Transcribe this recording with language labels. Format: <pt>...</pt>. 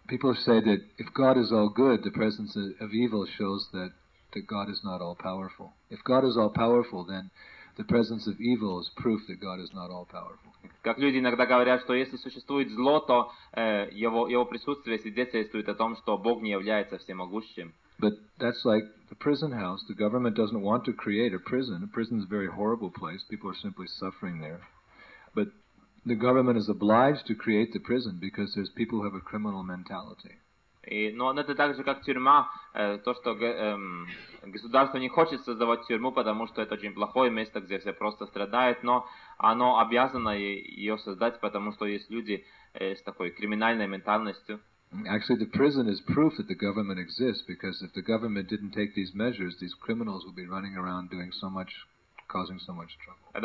<en>People say that if God is all good, the presence of evil shows that that God is not all powerful. If God is all powerful, then the presence of evil is proof that God is not all powerful.</en> <ru>Как люди иногда говорят, что если существует зло, то его присутствие свидетельствует о том, что Бог не является всемогущим.</ru> <en>But that's like the prison house. The government doesn't want to create a prison. A prison is a very horrible place. People are simply suffering there. But the government is obliged to create the prison because there's people who have a criminal mentality.</en> <ru>Но это так же, как тюрьма, то, что государство не хочет создавать тюрьму, потому что это очень плохое место, где все просто страдают, но оно обязано ее создать, потому что есть люди с такой криминальной ментальностью.</ru> <en>Actually, the prison is proof that the government exists, because if the government didn't take these measures, these criminals would be running around doing so much, causing so much trouble.</en>